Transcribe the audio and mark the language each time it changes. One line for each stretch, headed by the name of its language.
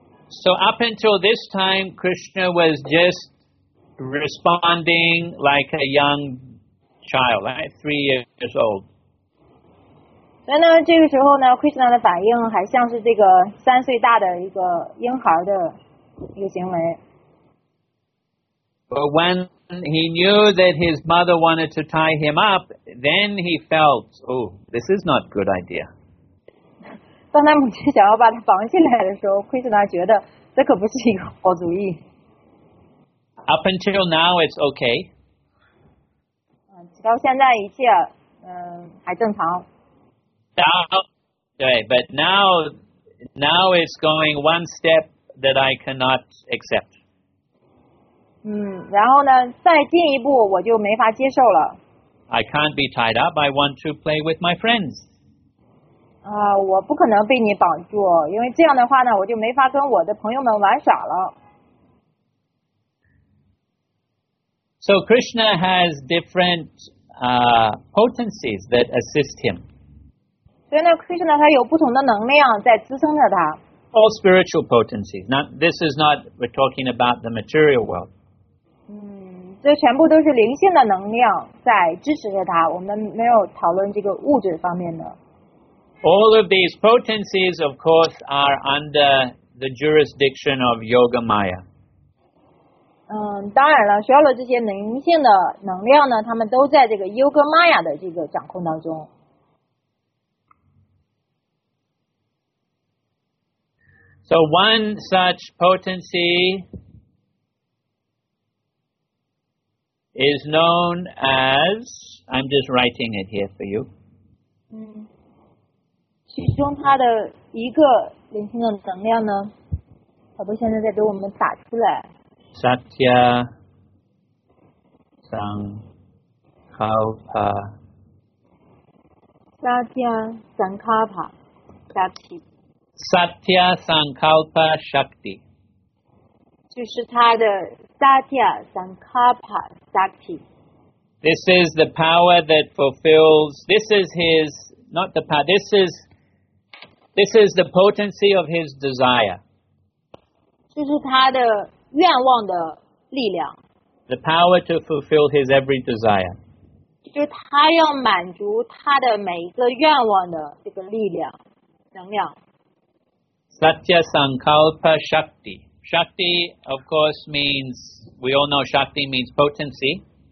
English: So up until this time, Krishna was just responding like a young child, like 3 years old.
Chinese: 所以呢，这个时候呢 ，Krishna 的反应还像是这个3岁大的一个婴孩的一个行为。
English: But when he knew that his mother wanted to tie him up, then he felt, oh, this is not a good idea.
Chinese: 当他母亲想要把他绑起来的时候 ，Krishna 觉得这可不是一个好主意。
English: Up until now, it's okay.
Chinese: 直到现在一切，还正常。
English: Now it's going one step that I cannot accept.
Chinese: 然后呢再进一步我就没法接受了。
English: I can't be tied up. I want to play with my friends.
Chinese: 我不可能被你绑住，因为这样的话呢我就没法跟我的朋友们玩耍了。
English: So Krishna has different potencies that assist him.
Chinese: 所以呢 Krishna 他有不同的能量在支撑着他。
English: All spiritual potencies. Now, this is not, we're talking about the material world.
Chinese: 这全部都是灵性的能量在支持着它，我们没有讨论这个物质方面的。
English: All of these potencies, of course, are under the jurisdiction of Yoga Maya.
Chinese: 当然了，所有的这些灵性的能量呢，它们都在这个 Yoga Maya 的这个掌控当中。
English: So one such potency is known as, I'm just writing it here for you.
Chinese: 其中它的一个灵性的能量呢，宝宝现在在给我们打出来。
English: Satya Sankalpa. Satya Sankalpa. Shakti. Satya Sankalpa Shakti.
Chinese: 就是它的 Satya Sankalpa Shakti.
English: This is the power that fulfills, this is his, not the power, this is the potency of his desire.
Chinese: 就是它的愿望的力量。
English: The power to fulfill his every desire.
Chinese: 就是他要满足他的每一个愿望的这个力量，能量。
English: Satya Sankalpa Shakti. Shakti, of course, means, we all know Shakti means potency.